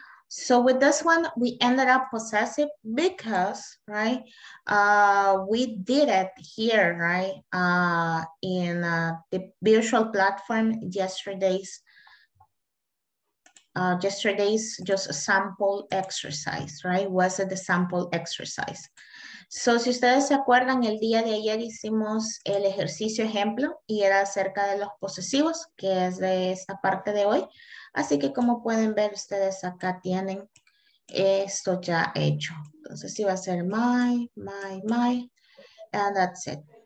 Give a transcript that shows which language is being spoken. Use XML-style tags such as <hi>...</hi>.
<en>So with this one, we ended up possessive because, right, we did it here, right, in the virtual platform yesterday's just sample exercise, right, was it the sample exercise.</en> <es>So si ustedes se acuerdan, el día de ayer hicimos el ejercicio ejemplo y era acerca de los posesivos, que es de esta parte de hoy. Así que como pueden ver, ustedes acá tienen esto ya hecho. Entonces iba a ser my,</es> <en>and that's it.</en>